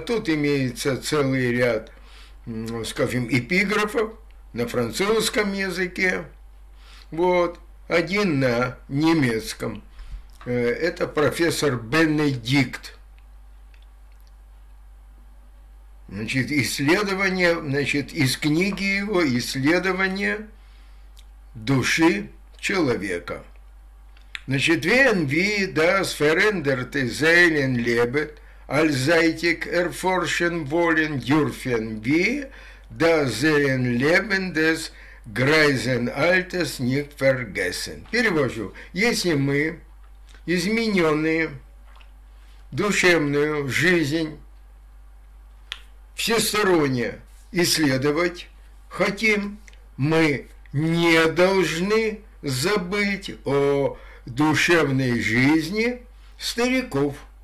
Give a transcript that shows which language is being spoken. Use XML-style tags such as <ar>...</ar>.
<ru>Тут имеется целый ряд, скажем, эпиграфов на французском языке, вот, один на немецком. Это профессор Бенедикт. Значит, исследование, значит, из книги его «Исследование души человека». Значит,</ru> <de>«Wenn wir das veränderte Seelen leben, allseitig erforschen wollen, dürfen wir das Seelen leben des greisen Alters nicht vergessen».</de> <ru>Перевожу. Если мы, измененные душевную жизнь, всесторонне исследовать хотим, мы не должны забыть о душевной жизни стариков.</ru>